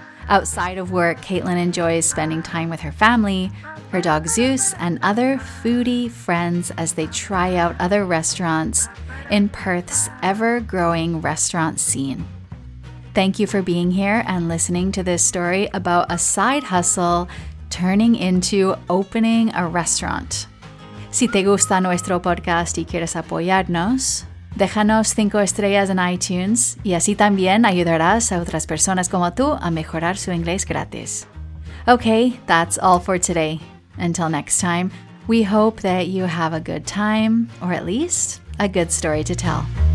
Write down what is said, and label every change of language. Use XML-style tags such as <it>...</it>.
<en>Outside of work, Caitlin enjoys spending time with her family, her dog Zeus, and other foodie friends as they try out other restaurants in Perth's ever-growing restaurant scene. Thank you for being here and listening to this story about a side hustle turning into opening a restaurant.</en> <es>Si te gusta nuestro podcast y quieres apoyarnos, déjanos 5 estrellas en iTunes y así también ayudarás a otras personas como tú a mejorar su inglés gratis.</es> <en>Okay, that's all for today. Until next time, we hope that you have a good time, or at least a good story to tell.</en>